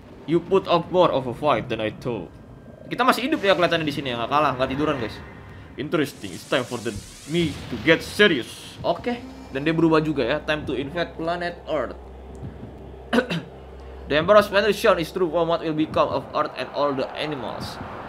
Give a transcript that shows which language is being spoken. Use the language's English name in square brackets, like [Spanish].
[English] You put up more of a fight than I thought. [Indonesian] Kita masih hidup ya kelihatannya di sini ya, enggak kalah, enggak tiduran, guys. [English] Interesting. It's time for the me to get serious. [Indonesian] Oke. Dan dia berubah juga ya. [English] Time to invade planet Earth. The Emperor's mission is true for what will become of Earth and all the animals.